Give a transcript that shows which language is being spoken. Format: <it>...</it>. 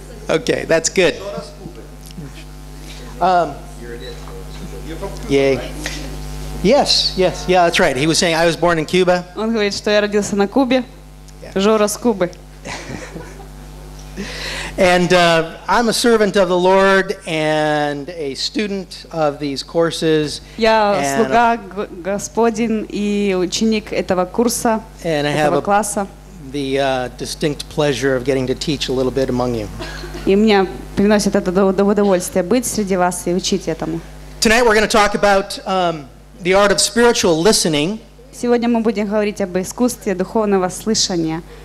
<en>Okay, that's good. Yay. Yes, yes, yeah, that's right. He was saying I was born in Cuba.</en> <ru>Он говорит, что я родился на Кубе. Жора с Кубы.</ru> <en>And I'm a servant of the Lord and a student of these courses.</en> <ru>Я слуга Господин и ученик этого курса, этого класса.</ru> <en>The distinct pleasure of getting to teach a little bit among you.</en> <ru>И мне приносит это удовольствие быть среди вас и учить этому.</ru> <en>Tonight we're going to talk about the art of spiritual listening.</en> <ru>Сегодня мы будем говорить об искусстве духовного слышания.</ru>